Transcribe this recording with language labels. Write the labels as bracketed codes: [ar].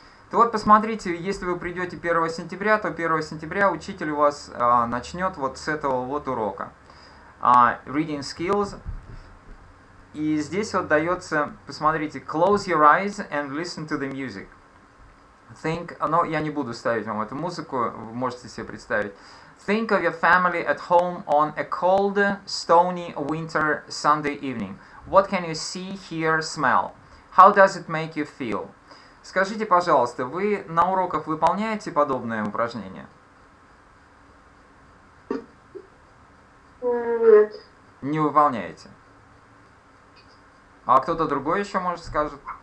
[ru] То вот посмотрите, если вы придете 1 сентября, то 1 сентября учитель у вас начнет вот с этого вот урока. [en] Reading skills. [ru] И здесь вот дается, посмотрите, [en] close your eyes and listen to the music. Think, [ru] но я не буду ставить вам эту музыку, вы можете себе представить. [en] Think of your family at home on a cold, stony winter Sunday evening. What can you see, hear, smell? How does it make you feel? [ru] Скажите, пожалуйста, вы на уроках выполняете подобное упражнение? Нет. Не выполняете. А кто-то другой еще может скажет?